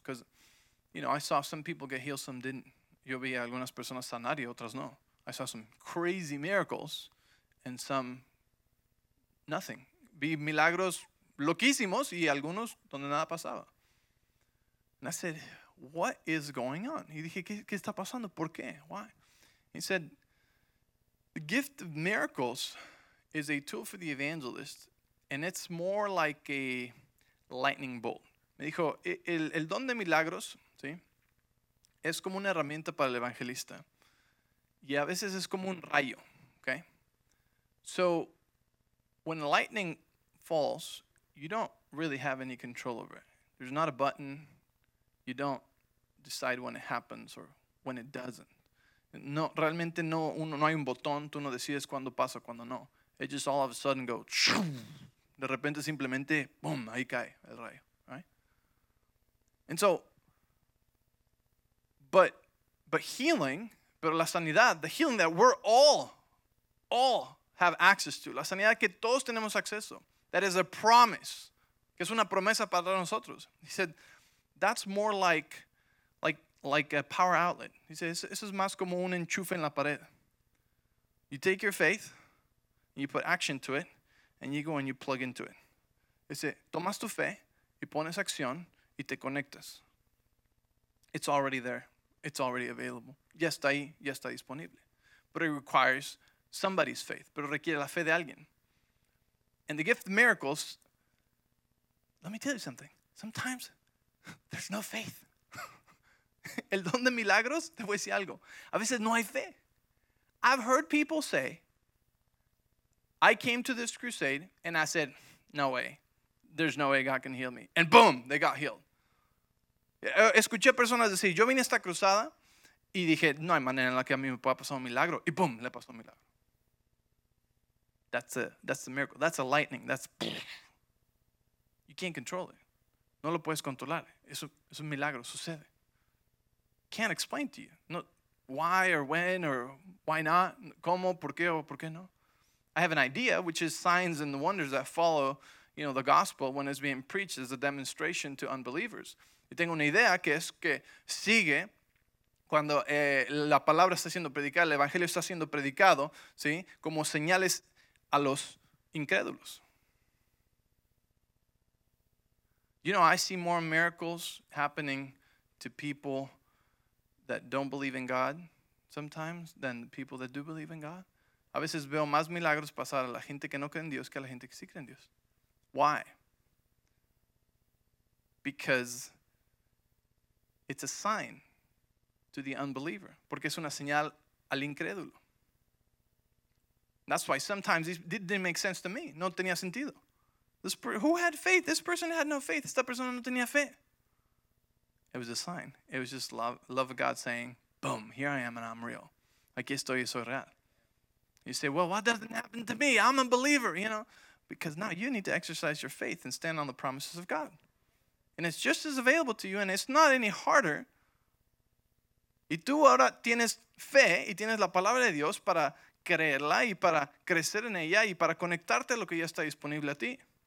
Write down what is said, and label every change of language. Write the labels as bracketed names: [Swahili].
[English] Because, you know, I saw some people get healed, some didn't. [Spanish] Yo vi a algunas personas sanar y otras no. [English] I saw some crazy miracles and some nothing. [Spanish] Vi milagros loquísimos y algunos donde nada pasaba. [English] And I said, what is going on? [Spanish] Y dije, ¿qué está pasando? ¿Por qué? [English] Why? He said, the gift of miracles is a tool for the evangelist, and it's more like a lightning bolt. [Spanish] Me dijo, el don de milagros, ¿sí? Es como una herramienta para el evangelista. Y a veces es como un rayo, okay? [English] So, when lightning falls, you don't really have any control over it. There's not a button. You don't decide when it happens or when it doesn't. [Spanish] No, realmente no, uno, no hay un botón. Tú no decides cuándo pasa, cuándo no. [English] It just all of a sudden goes. [Spanish] De repente simplemente, boom, ahí cae el rayo, right? [English] And so, but healing, [Spanish] pero la sanidad, [English] the healing that we're all have access to, [Spanish] la sanidad que todos tenemos acceso, [English] that is a promise [Spanish] que es una promesa para nosotros. [English] He said, that's more like a power outlet. [Spanish] He said, eso es más como un enchufe en la pared. [English] You take your faith, and you put action to it, and you go and you plug into it. [Spanish] Dice, tomas tu fe, y pones acción, y te conectas. [English] It's already there. It's already available. [Spanish] Ya está ahí, ya está disponible. [English] But it requires somebody's faith. [Spanish] Pero requiere la fe de alguien. [English] And the gift of miracles, let me tell you something. Sometimes, there's no faith. [Spanish] El don de milagros, te voy a decir algo. A veces no hay fe. [English] I've heard people say, I came to this crusade, and I said, no way. There's no way God can heal me. And boom, they got healed. [Spanish] Escuché personas decir, yo vine a esta cruzada, y dije, no hay manera en la que a mí me pueda pasar un milagro. Y boom, le pasó un milagro. [English] That's a miracle. That's a lightning. That's, you can't control it. [Spanish] No lo puedes controlar. Es un milagro, sucede. [English] Can't explain to you. No, why or when or why not? [Spanish] ¿Cómo? ¿Por qué? ¿O por qué no? [English] I have an idea, which is signs and the wonders that follow, you know, the gospel when it's being preached as a demonstration to unbelievers. [Spanish] Y tengo una idea que es que sigue cuando la palabra está siendo predicada, el evangelio está siendo predicado, ¿sí? Como señales a los incrédulos. [English] You know, I see more miracles happening to people that don't believe in God sometimes than people that do believe in God. [Spanish] A veces veo más milagros pasar a la gente que no cree en Dios que a la gente que sí cree en Dios. [English] Why? Because it's a sign to the unbeliever. [Spanish] Porque es una señal al incrédulo. [English] That's why sometimes it didn't make sense to me. [Spanish] No tenía sentido. [English] Who had faith? This person had no faith. [Spanish] Esta persona no tenía fe. [English] It was a sign. It was just love of God saying, boom, here I am and I'm real. [Spanish] Aquí estoy y soy real. [English] You say, well, what doesn't happen to me? I'm a believer, you know. Because now you need to exercise your faith and stand on the promises of God. And it's just as available to you and it's not any harder. [Spanish] Y tú ahora tienes fe y tienes la palabra de Dios para creerla y para crecer en ella y para conectarte a lo que ya está disponible a ti.